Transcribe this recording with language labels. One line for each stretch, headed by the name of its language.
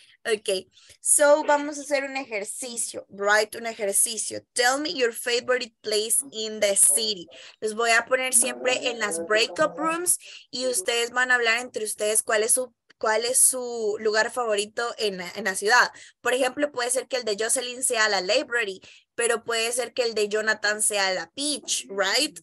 English: Ok, so
Spanish: vamos a hacer un ejercicio,
English: right?
Spanish: Un ejercicio.
English: Tell me your favorite place in the city.
Spanish: Los voy a poner siempre en las
English: breakup rooms
Spanish: y ustedes van a hablar entre ustedes cuál es su lugar favorito en la ciudad. Por ejemplo, puede ser que el de Jocelyn sea la
English: library,
Spanish: pero puede ser que el de Jonathan sea la
English: beach, right?